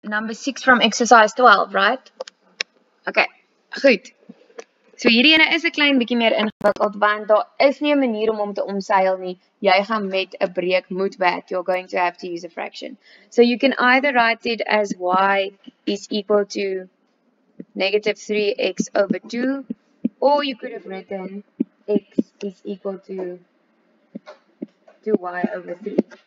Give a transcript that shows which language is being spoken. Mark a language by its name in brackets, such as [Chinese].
[English] number 6 from exercise 12, right? [Afrikaans] Okay, goed. So hierdie ene is 'n klein bietjie meer ingewikkeld want daar is nie 'n manier om hom te omseil nie. Jy gaan met 'n breek moet werk. [English] You're going to have to use a fraction. So you can either write it as y is equal to negative 3x over 2, or you could have written x is equal to 2y over 3.